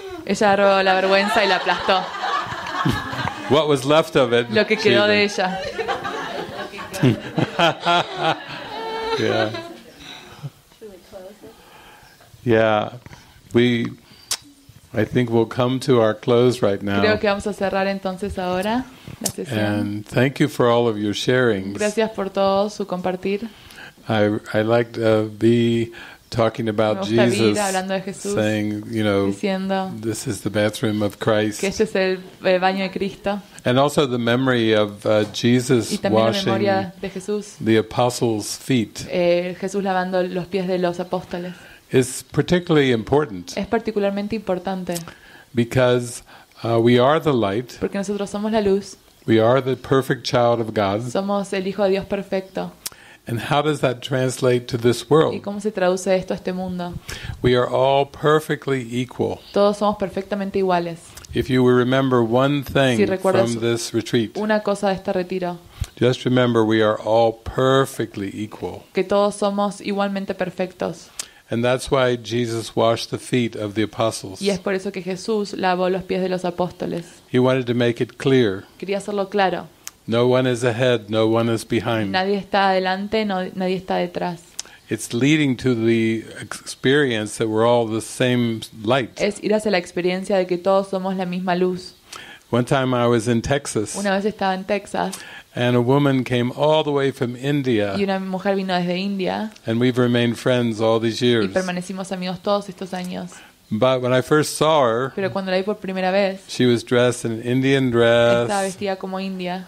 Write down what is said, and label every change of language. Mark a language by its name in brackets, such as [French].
[Spanish] Ella agarró la vergüenza y la aplastó. [English] What was left of it. [Spanish] Lo que quedó de ella. [English] Yeah. Yeah. I think we'll come to our close right now. [Spanish] Creo que vamos a cerrar entonces ahora la sesión. [English] And thank you for all of your sharings. [Spanish] Gracias por todo su compartir. [English] I like to be talking about Jesus, saying, you know, [Spanish] diciendo, [English] this is the bathroom of Christ. [Spanish] Que este es el baño de Cristo. [English] And also the memory of Jesus washing the apostles' feet. [Spanish] Jesús lavando los pies de los apóstoles. [English] Is particularly important. [Spanish] Es particularmente importante. [English] Because we are the light. [Spanish] Porque nosotros somos la luz. [English] We are the perfect child of God. [Spanish] Somos el hijo de Dios perfecto. [English] And how does that translate to this world? [Spanish] ¿Y cómo se traduce esto a este mundo? [English] We are all perfectly equal. [Spanish] Todos somos perfectamente iguales. [English] If you will remember one thing from this retreat. [Spanish] Una cosa de este retiro. [English] Just remember we are all perfectly equal. [Spanish] Que todos somos igualmente perfectos. [English] And that's why Jesus washed the feet of the apostles. [Spanish] Y es por eso que Jesús lavó los pies de los apóstoles. [English] He wanted to make it clear. [Spanish] Quería hacerlo claro. [English] No one is ahead, no one is behind. [Spanish] Nadie está adelante, nadie está detrás. [English] It's leading to the experience that we're all the same light. [Spanish] Es ir hacia la experiencia de que todos somos la misma luz. [English] One time I was in Texas. [Spanish] Una vez estaba en Texas. [English] And a woman came all the way from India. [Spanish] Y una mujer vino desde India. [English] And we've remained friends all these years. [Spanish] Y permanecimos amigos todos estos años. [English] But when I first saw her, [Spanish] pero cuando la vi por primera vez, [English] she was dressed in an Indian dress. [Spanish] Estaba vestida como india.